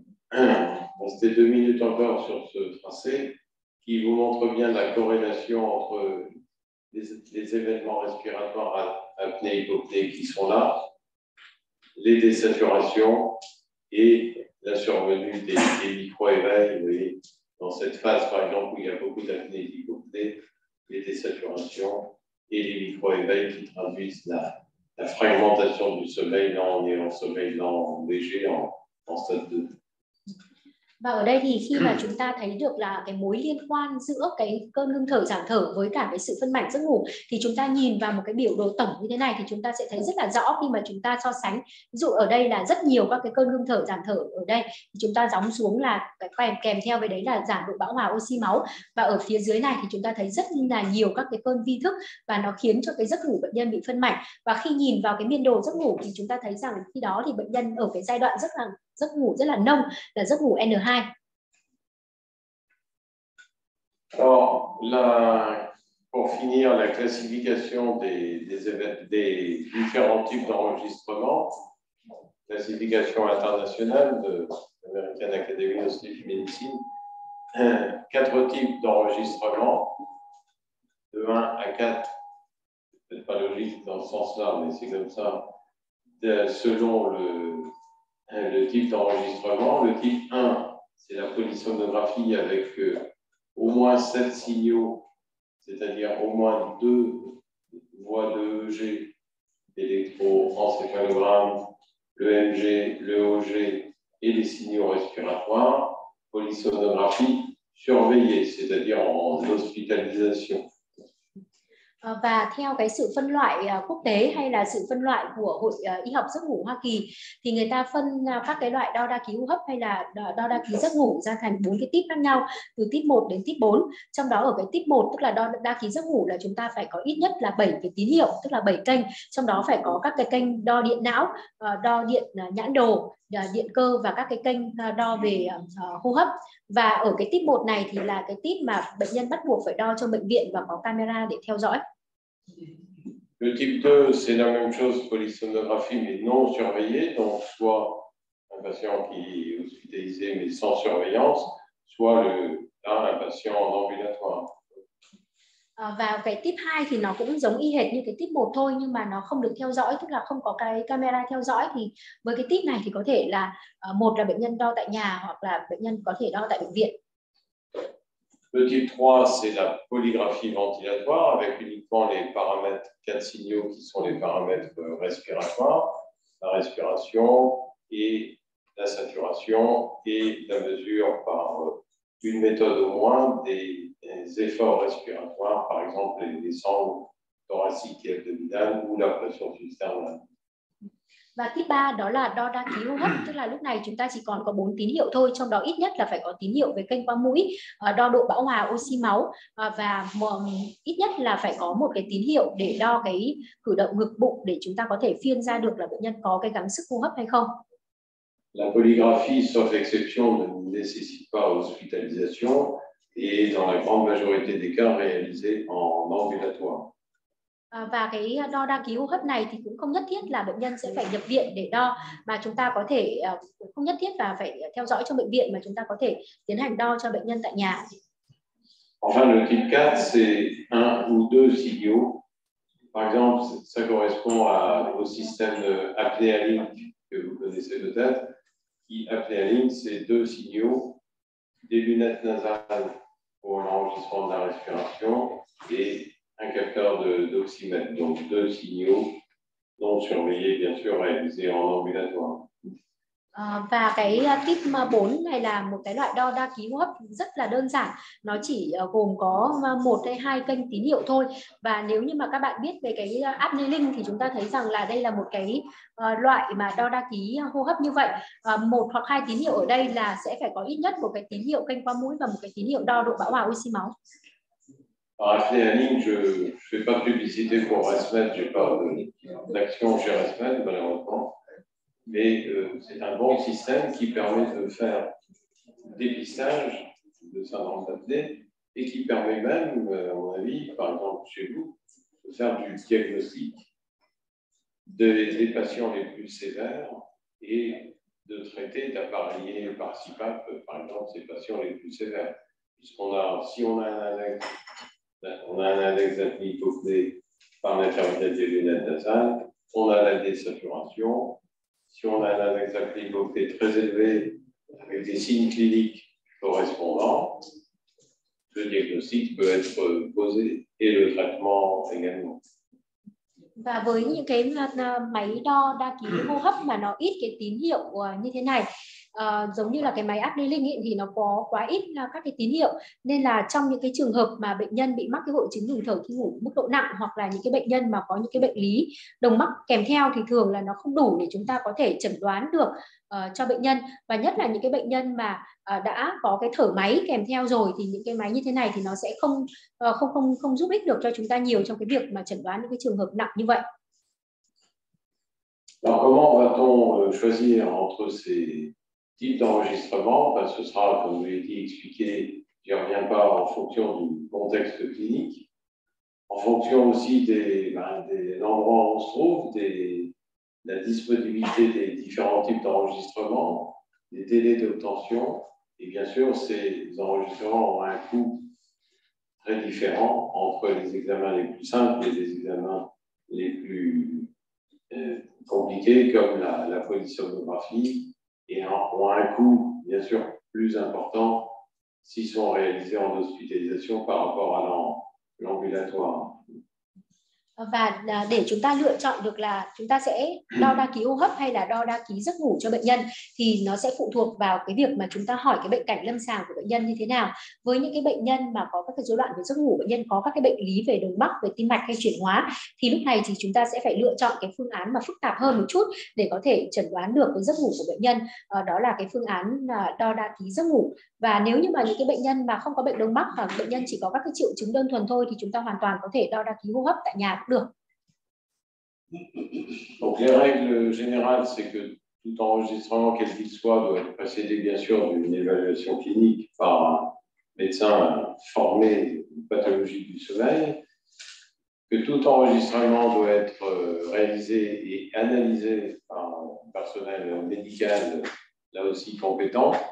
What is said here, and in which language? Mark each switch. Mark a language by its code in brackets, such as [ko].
[fr] Bon, c'était deux minutes encore sur ce tracé qui vous montre bien la corrélation entre les événements respiratoires à apnée hypopnée qui sont là, les désaturations et la survenue des micro-éveils. Vous voyez, dans cette phase, par exemple, où il y a beaucoup d'apnée hypopnée, les désaturations et les micro-éveils qui traduisent la fragmentation du sommeil, là on est en sommeil lent, léger, en stade 2. [vi] Và ở đây thì khi mà chúng ta thấy được là cái mối liên quan giữa cái cơn ngưng thở giảm thở với cả cái sự phân mảnh giấc ngủ, thì chúng ta nhìn vào một cái biểu đồ tổng như thế này thì chúng ta sẽ thấy rất là rõ khi mà chúng ta so sánh. Ví dụ ở đây là rất nhiều các cái cơn ngưng thở giảm thở ở đây, thì chúng ta gióng xuống là kèm theo với đấy là giảm độ bão hòa oxy máu. Và ở phía dưới này thì chúng ta thấy rất là nhiều các cái cơn vi thức và nó khiến cho cái giấc ngủ bệnh nhân bị phân mảnh. Và khi nhìn vào cái biên đồ giấc ngủ thì chúng ta thấy rằng khi đó thì bệnh nhân ở cái giai đoạn giấc ngủ rất là nông, là giấc ngủ N2. [fr] Alors, pour finir la classification des différents types d'enregistrement, classification internationale de l'American Academy of Sleep Medicine, quatre types d'enregistrement, de 1 à 4, peut-être pas logique dans ce sens-là, mais c'est comme ça, selon le type d'enregistrement. Le type 1, c'est la polysomnographie avec au moins 7 signaux, c'est-à-dire au moins 2 voies de EEG, électroencéphalogramme, l'EMG, l'EOG et les signaux respiratoires. Polysomnographie surveillée, c'est-à-dire en hospitalisation. [vi] Và theo cái sự phân loại quốc tế hay là sự phân loại của Hội Y học giấc ngủ Hoa Kỳ thì người ta phân các cái loại đo đa ký hô hấp hay là đo đa ký giấc ngủ ra thành 4 cái típ khác nhau, từ típ 1 đến típ 4. Trong đó ở cái típ 1, tức là đo đa ký giấc ngủ, là chúng ta phải có ít nhất là 7 cái tín hiệu, tức là 7 kênh, trong đó phải có các cái kênh đo điện não, đo điện nhãn đồ, điện cơ và các cái kênh đo về hô hấp. Và ở cái típ 1 này thì là cái típ mà bệnh nhân bắt buộc phải đo trong bệnh viện và có camera để theo dõi. [fr] Le type 2, c'est la même chose, polysomnographie, mais non surveillée, donc soit un patient qui est hospitalisé, mais sans surveillance, soit un patient en ambulatoire. [vi] Và cái type 2 thì nó cũng giống y hệt như cái type 1 thôi, nhưng mà nó không được theo dõi, tức là không có cái camera theo dõi. Thì với cái type này thì có thể là một là bệnh nhân đo tại nhà hoặc là bệnh nhân có thể đo tại bệnh viện. [fr] Le type 3, c'est la polygraphie ventilatoire avec uniquement les paramètres 4 signaux qui sont les paramètres respiratoires, la respiration et la saturation et la mesure par une méthode au moins des efforts respiratoires, par exemple les sangles thoraciques et abdominales ou la pression cisternale. [vi] Và tip 3 đó là đo đa ký hô hấp, tức là lúc này chúng ta chỉ còn có 4 tín hiệu thôi, trong đó ít nhất là phải có tín hiệu về kênh qua mũi, đo độ bão hòa oxy máu và ít nhất là phải có một cái tín hiệu để đo cái cử động ngực bụng để chúng ta có thể phiên ra được là bệnh nhân có cái gắng sức hô hấp hay không. [fr] La polygraphie, sauf exception, ne nécessite pas hospitalisation et dans la grande majorité des cas réalisée en ambulatoire. [vi] Và cái đo đa ký hô hấp này thì cũng không nhất thiết là bệnh nhân sẽ phải nhập viện để đo, mà chúng ta có thể không nhất thiết là phải theo dõi trong bệnh viện, mà chúng ta có thể tiến hành đo cho bệnh nhân tại nhà. [fr] Enfin, le type 4, c'est un ou deux signaux. Par exemple, ça correspond au système apnée à ligne que vous connaissez peut-être. Apnée à ligne, c'est deux signaux, des lunettes nasales pour l'enregistrement de la respiration et un capteur d'oxymètre, donc deux signaux non surveillés, bien sûr, réalisés en ambulatoire. [vi] Và cái tip 4 này là một cái loại đo đa ký hô hấp rất là đơn giản. Nó chỉ gồm có một hay hai kênh tín hiệu thôi. Và nếu như mà các bạn biết về cái apneling thì chúng ta thấy rằng là đây là một cái loại mà đo đa ký hô hấp như vậy. Một hoặc hai tín hiệu ở đây là sẽ phải có ít nhất một cái tín hiệu kênh qua mũi và một cái tín hiệu đo độ bão hòa oxy máu. [fr] Apneling, je fais pas publicité pour ResMed, j'ai pas d'action chez ResMed, malheureusement. Mais c'est un bon système qui permet de faire dépistage de syndrome d'apnée et qui permet même, à mon avis, par exemple chez vous, de faire du diagnostic des patients les plus sévères et de traiter, d'appareiller par CPAP, par exemple, ces patients les plus sévères. Puisqu'on a, si on a un index, on a un index d'apnée par l'intermédiaire des lunettes nasales, on a la désaturation. Si on a un index d'apnée très élevé avec des signes cliniques correspondants, le diagnostic peut être posé et le traitement également. [vi] Và với những cái máy đo đa ký hô hấp mà nó ít cái tín hiệu như thế này, giống như là cái máy apneling thì nó có quá ít các cái tín hiệu, nên là trong những cái trường hợp mà bệnh nhân bị mắc cái hội chứng ngừng thở khi ngủ mức độ nặng hoặc là những cái bệnh nhân mà có những cái bệnh lý đồng mắc kèm theo thì thường là nó không đủ để chúng ta có thể chẩn đoán được cho bệnh nhân. Và nhất là những cái bệnh nhân mà đã có cái thở máy kèm theo rồi thì những cái máy như thế này thì nó sẽ không giúp ích được cho chúng ta nhiều trong cái việc mà chẩn đoán những cái trường hợp nặng như vậy. [fr] Alors, comment va-t-on choisir entre ces types d'enregistrement? Parce que ce sera, comme vous l'avez dit, expliqué, je ne reviens pas en fonction du contexte clinique, en fonction aussi des endroits où on se trouve, la disponibilité des différents types d'enregistrement, des délais d'obtention. Et bien sûr, ces enregistrements ont un coût très différent entre les examens les plus simples et les examens les plus compliqués, comme la polysomnographie, et ont un coût bien sûr plus important s'ils sont réalisés en hospitalisation par rapport à l'ambulatoire. [vi] Và để chúng ta lựa chọn được là chúng ta sẽ đo đa ký hô hấp hay là đo đa ký giấc ngủ cho bệnh nhân thì nó sẽ phụ thuộc vào cái việc mà chúng ta hỏi cái bệnh cảnh lâm sàng của bệnh nhân như thế nào. Với những cái bệnh nhân mà có các cái rối loạn về giấc ngủ, bệnh nhân có các cái bệnh lý về đường mắc, về tim mạch hay chuyển hóa thì lúc này thì chúng ta sẽ phải lựa chọn cái phương án mà phức tạp hơn một chút để có thể chẩn đoán được cái giấc ngủ của bệnh nhân. Đó là cái phương án đo đa ký giấc ngủ. Và nếu như mà những cái bệnh nhân mà không có bệnh đông mắc hoặc bệnh nhân chỉ có các cái triệu chứng đơn thuần thôi thì chúng ta hoàn toàn có thể đo đa ký hô hấp tại nhà cũng được. [fr] Donc les règles générales, c'est que tout enregistrement, quel qu'il soit, doit être précédé bien sûr d'une évaluation clinique par un médecin formé aux pathologies du sommeil, que tout enregistrement doit être réalisé et analysé par un personnel médical là aussi compétent.